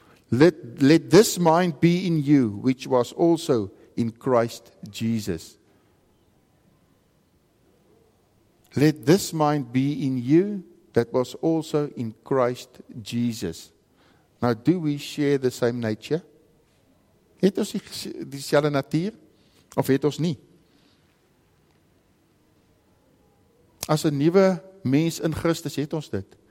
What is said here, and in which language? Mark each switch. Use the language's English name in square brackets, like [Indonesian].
[English] Let this mind be in you, which was also in Christ Jesus. Let this mind be in you that was also in Christ Jesus. Now, do we share the same nature? [Afrikaans] Het ons dieselfde natuur? Of het ons nie? As 'n nuwe mens in Christus het ons dit.